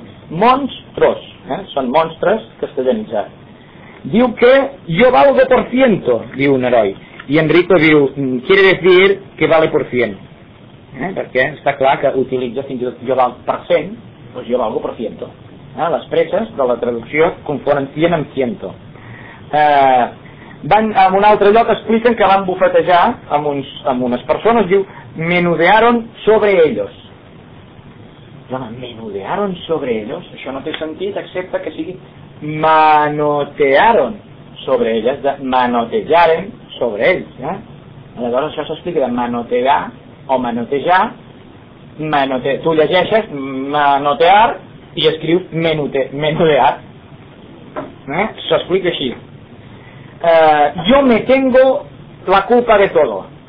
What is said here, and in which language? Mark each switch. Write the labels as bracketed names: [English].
[Catalan] Monstruos, són monstres castellanitzats. Diu que [Spanish] yo valgo por ciento, [Catalan] diu un heroi, i Enrico diu, [Spanish] quiere decir que vale por cien. [Catalan] Perquè està clar que utilitza fins i tot jo val per cent, doncs jo valgo per ciento. Les preses de la traducció confonen cien amb ciento. Van a un altre lloc, expliquen que van bufetejar amb unes persones, diu, [Spanish] menudearon sobre ellos. [Catalan] Home, [Spanish] menudearon sobre ellos, [Catalan] això no té sentit, excepte que sigui [Spanish] manotearon sobre elles, [Catalan] de manotejaren sobre ells. Aleshores això s'explica de manotear o manotejar, tu llegeixes manotear i escriu menudear. S'explica així. [Spanish] Yo me tengo la culpa de todo.